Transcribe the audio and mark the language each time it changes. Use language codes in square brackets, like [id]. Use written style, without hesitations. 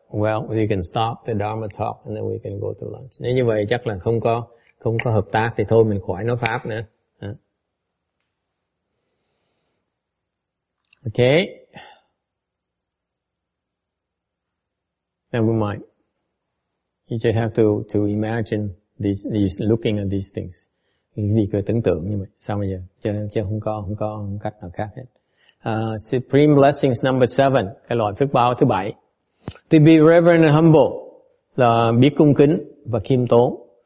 [en] Well, we can stop the Dharma talk and then we can go to lunch. [vi] Nếu như vậy chắc là không có hợp tác thì thôi mình khỏi nói pháp nữa. Okay. [en] Never mind. You just have to imagine these looking at these things. [vi] Vì cứ tưởng tượng như vậy. Sao bây giờ? Chứ không có cách nào khác hết. [en] Supreme Blessings number 7. [vi] Cái loại phước báo thứ 7. [en] To be reverent and humble. [vi] Là biết cung kính và khiêm tốn.